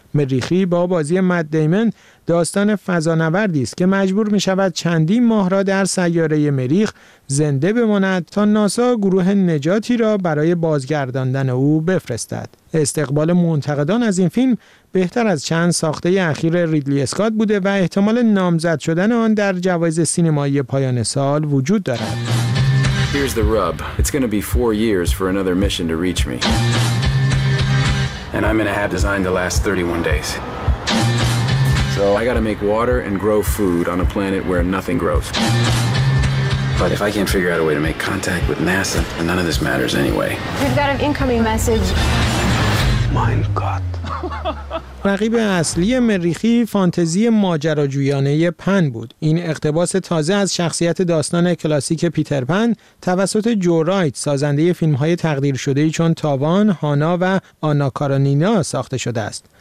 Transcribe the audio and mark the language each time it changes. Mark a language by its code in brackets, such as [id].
[fa] مریخی با بازی مت دیمن داستان فضانوردی است که مجبور می شود چندین ماه را در سیاره مریخ زنده بماند تا ناسا گروه نجاتی را برای بازگرداندن او بفرستد. استقبال منتقدان از این فیلم بهتر از چند ساخته اخیر ریدلی اسکات بوده و احتمال نامزد شدن آن در جوایز سینمایی پایان سال وجود دارد. [en] Here's the rub. It's going to be 4 years for another mission to reach me. And I'm going to have designed the last 31 days. So I got to make water and grow food on a planet where nothing grows. But if I can't figure out a way to make contact with NASA, then none of this matters anyway. We've got an incoming message. [de] Mein Gott. [fa] رقیب اصلی مریخی فانتزی ماجراجویانه پن بود. این اقتباس تازه از شخصیت داستان کلاسیک پیتر پن توسط جو رایت سازنده فیلم‌های تقدیر شده‌ای چون تاوان، هانا و آنا کارانینا ساخته شده است.